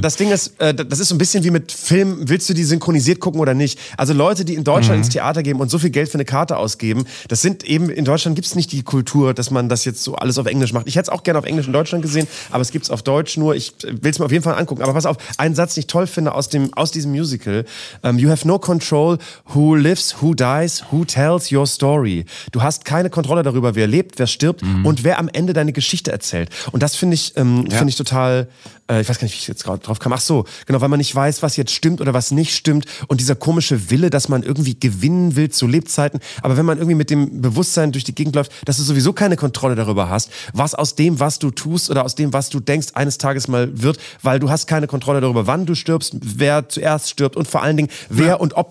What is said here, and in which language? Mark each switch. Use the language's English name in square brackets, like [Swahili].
[German] Das ist so ein bisschen wie mit Filmen. Willst du die synchronisiert gucken oder nicht? Also Leute, die in Deutschland ins Theater gehen und so viel Geld für eine Karte ausgeben, das sind eben, in Deutschland gibt es nicht die Kultur, dass man das jetzt so alles auf Englisch macht. Ich hätte es auch gerne auf Englisch in Deutschland gesehen, aber es gibt es auf Deutsch nur. Ich will es mir auf jeden Fall angucken. Aber pass auf, einen Satz, den ich toll finde aus diesem Musical. [English] You have no control who lives, who dies, who tells your story. [German] Du hast keine Kontrolle darüber, wer lebt, wer stirbt und wer am Ende deine Geschichte erzählt. Und das finde ich, find ich total, ich weiß gar nicht, wie ich jetzt gerade drauf kam. Ach so, genau, weil man nicht weiß, was jetzt stimmt oder was nicht stimmt und dieser komische Wille, dass man irgendwie gewinnen will zu Lebzeiten. Aber wenn man irgendwie mit dem Bewusstsein durch die Gegend läuft, dass du sowieso keine Kontrolle darüber hast, was aus dem, was du tust oder aus dem, was du denkst, eines Tages mal wird, weil du hast keine Kontrolle darüber, wann du stirbst, wer zuerst stirbt und vor allen Dingen, wer und ob